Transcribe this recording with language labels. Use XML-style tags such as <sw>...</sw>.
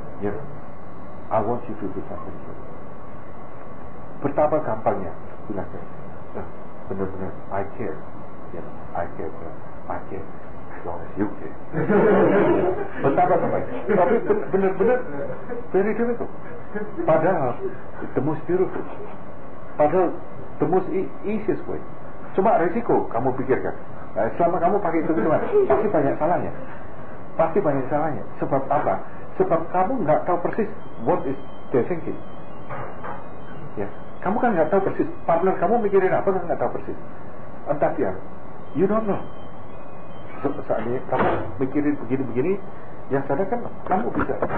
<en>Yeah, I want you to do something for me.</en> <id>Betapa gampangnya, bilangnya. Benar-benar,</id> <en>I care. Yeah, I care. I care. As long as you care.</en> <id>Betapa gampangnya. Tapi benar-benar,</id> <en>very difficult.</en> <id>Padahal,</id> <en>the most beautiful.</en> <id>Padahal,</id> <en>the most easiest way.</en> <id>Cuma resiko, kamu pikirkan. Selama kamu pakai itu semua, pasti banyak salahnya. Pasti banyak salahnya. Sebab apa? Sebab kamu enggak tahu persis</id> <en>what is they thinking.</en> <id>Ya, kamu kan enggak tahu persis partner kamu mikirin apa, kan enggak tahu persis. Entah dia,</id> <en>you don't know.</en> <id>Sebenarnya kamu mikirin begini-begini, yang sadar kan kamu bisa.</id>